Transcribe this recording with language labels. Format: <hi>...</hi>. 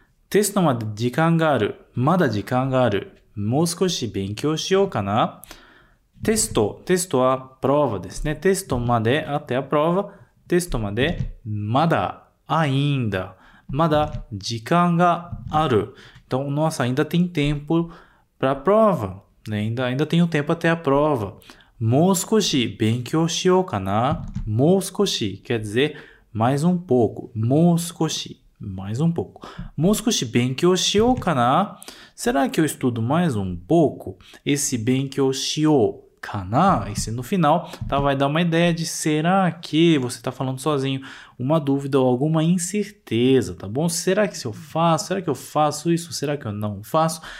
<ja>テストまで時間がある。まだ時間がある。もう少し勉強しようかな。テスト。テストはプロバですね。テストまで、あってはプロバ。テストまで、まだ、ainda。まだ時間がある。</ja> <pt>Então, nossa, ainda tem tempo pra prova. Ainda tenho tempo até a prova.</pt> <ja>もう少し勉強しようかな。</ja> <pt>もう少し quer dizer mais um pouco. もう少し mais um pouco.</pt> <ja>もう少し勉強しようかな。</ja> <pt>Será que eu estudo mais um pouco? Esse</pt> <ja>勉強しようかな</ja> <pt>esse no final, tá, vai dar uma ideia de será que você está falando sozinho uma dúvida ou alguma incerteza, tá bom? Será que se eu faço? Será que eu faço isso? Será que eu não faço?</pt>